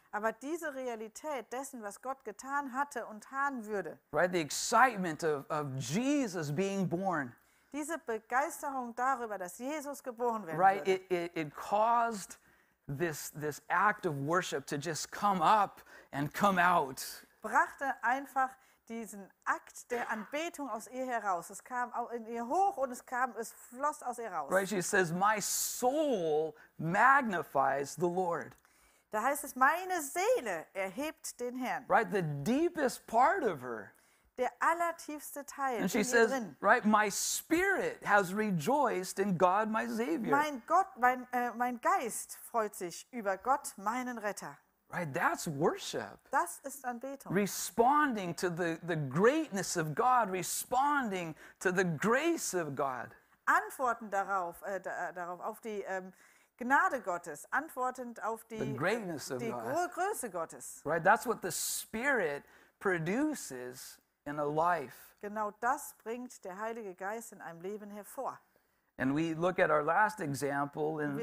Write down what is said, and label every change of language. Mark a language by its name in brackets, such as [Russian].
[German] Aber diese Realität dessen, was Gott getan hatte und tun würde. [English] Right, the excitement of Jesus being born. [German] Diese Begeisterung darüber, dass Jesus geboren werden [English] right, [German] würde. [English] It caused this act of worship to just come up and come out. [German] Brachte einfach diesen Akt der Anbetung aus ihr heraus. Es kam in ihr hoch und es floss aus ihr raus. [English] Right, she says, my soul magnifies the Lord. [German] Da heißt es, meine Seele erhebt den Herrn. [English] Right, the deepest part of her. [German] Der allertiefste Teil in ihr says, drin. [English] Right, my spirit has rejoiced in God my Savior. [German] Mein Geist freut sich über Gott, meinen Retter. [English] Right, that's worship. [German] Das ist Anbetung. [English] Responding to the greatness of God, responding to the grace of God. [German] Antworten darauf, darauf auf die Gnade Gottes, antwortend auf die Größe Gottes. [English] Right, that's what the Spirit produces in a life. [German] Genau das bringt der Heilige Geist in einem Leben hervor. [English] And we look at our last example